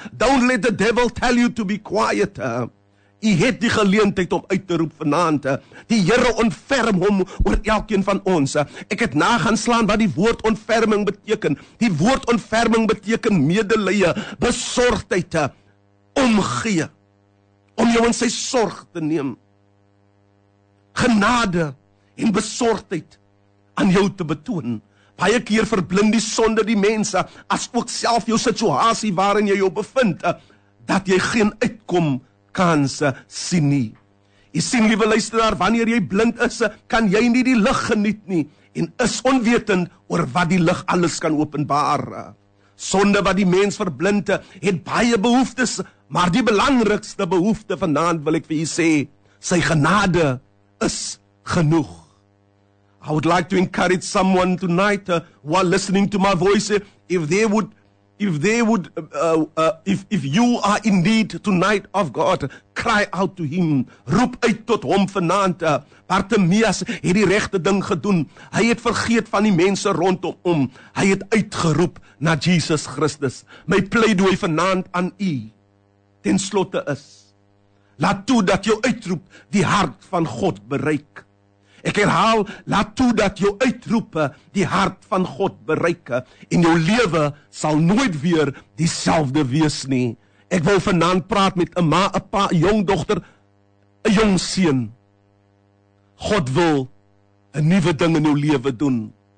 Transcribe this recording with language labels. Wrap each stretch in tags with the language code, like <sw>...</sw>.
<en>Don't let the devil tell you to be quiet.</en> <af>Jy het die geleentheid om uit te roep vanaand. Die Here ontferm hom oor elkeen van ons. Ek het nagaan slaan wat die woord ontferming beteken. Die woord ontferming beteken medelee, besorgdheid, omgee, om jou in sy sorg te neem. Genade en besorgdheid aan jou te betoon. Baie keer verblind die sonde die mense, as ook self jou situasie waarin jy jou bevind, dat jy geen uitkom kanse sien nie. Jy sien, liewe luisteraar, wanneer jy blind is, kan jy nie die lig geniet nie, en is onwetend oor wat die lig alles kan openbaar. Sonde wat die mens verblind, het baie behoeftes, maar die belangrikste behoefte vanaand wil ek vir jy sê, sy genade is genoeg.</af> <en>I would like to encourage someone tonight while listening to my voice, if you are in need tonight of God, cry out to him,</en> <af>roep uit tot hom vanaand. Bartimeus het die regte ding gedoen, hy het vergeet van die mense rondom, hy het uitgeroep na Jesus Christus. My pleidooi vanaand aan u, ten slotte is, laat toe dat jou uitroep die hart van God bereik. Ek herhaal, laat toe dat jou uitroepe die hart van God bereik, en jou lewe sal nooit weer dieselfde wees nie. Ek wil vanaand praat met 'n ma, 'n pa, 'n jong dogter, 'n jong seun. God wil 'n nuwe ding in jou lewe doen.</af>